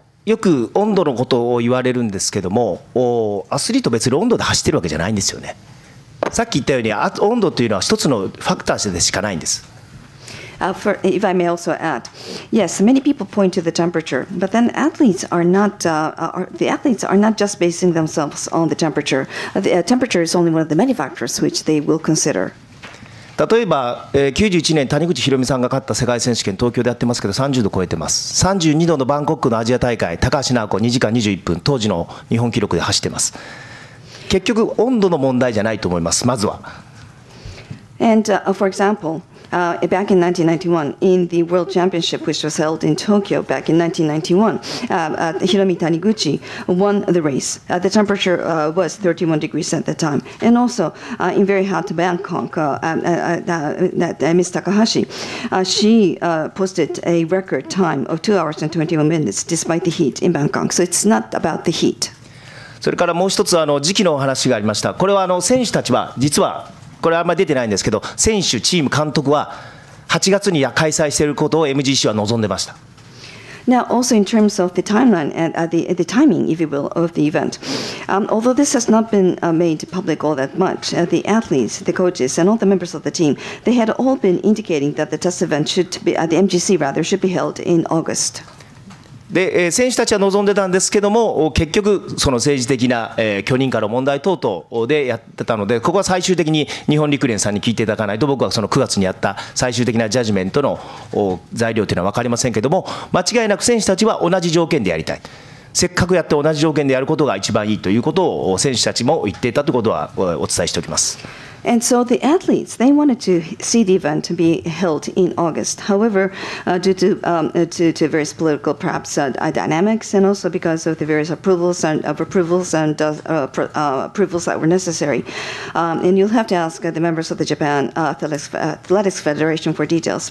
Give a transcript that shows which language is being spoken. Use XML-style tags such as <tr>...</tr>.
<ja>よく温度のことを言われるんですけども、アスリート別に温度で走ってるわけじゃないんですよね。さっき言ったように温度というのは一つのファクターでしかないんです。</ja> <en>If I may also add, yes, many people point to the temperature, but then athletes are not, the athletes are not just basing themselves on the temperature. The temperature is only one of the many factors which they will consider.</en> <ja>例えば、91年谷口博美さんが勝った世界選手権、東京でやってますけど30度超えてます。 32度のバンコクのアジア大会、高橋尚子2時間21分当時の日本記録で走ってます。結局温度の問題じゃないと思います、まずは。</ja> <en>And、for example,back in 1991, in the World Championship, which was held in Tokyo back in 1991, Hiromi Taniguchi won the race. The temperature was 31 degrees at the time. And also, in very hot Bangkok, Ms. Takahashi, she posted a record time of 2 hours and 21 minutes despite the heat in Bangkok. So it's not about the heat.</en> <ja>それからもう一つ、時期のお話がありました。これは選手たちは実はこれはあんまり出てないんですけど、選手、チーム、監督は8月に開催していることを MGC は望んでました。</ja> <en>Now also in terms of the timeline and the timing, if you will, of the event, although this has not been made public all that much, the athletes, the coaches and all the members of the team, they had all been indicating that the test event should be, the MGC rather, should be held in August.</en> <ja>で、選手たちは望んでたんですけども、結局その政治的な、許認可の問題等々でやってたので、ここは最終的に日本陸連さんに聞いていただかないと、僕はその9月にやった最終的なジャジメントの材料というのは分かりませんけども、間違いなく選手たちは同じ条件でやりたい、せっかくやって同じ条件でやることが一番いいということを選手たちも言っていたということはお伝えしておきます。</ja> <en>And so the athletes, they wanted to see the event be held in August. However, due to, to various political perhaps dynamics and also because of the various approvals and, approvals that were necessary. And you'll have to ask the members of the Japan Athletics Federation for details.</en>